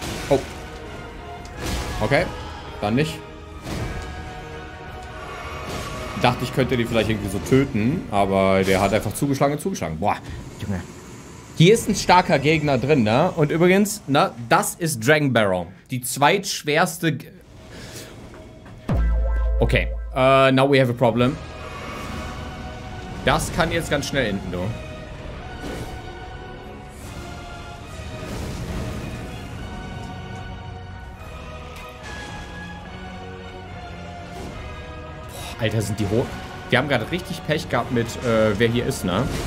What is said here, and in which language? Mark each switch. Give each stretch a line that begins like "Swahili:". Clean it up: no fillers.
German: Oh. Okay, dann nicht. Dachte, ich könnte den vielleicht irgendwie so töten, aber der hat einfach zugeschlagen. Boah, Junge. Hier ist ein starker Gegner drin, ne? Und übrigens, ne, das ist Dragon Barrel. Die zweitschwerste...
English: Okay, now we have a problem.
German: Das kann jetzt ganz schnell enden, du. Alter, sind die hoch? Wir haben gerade richtig Pech gehabt mit, wer hier ist, ne?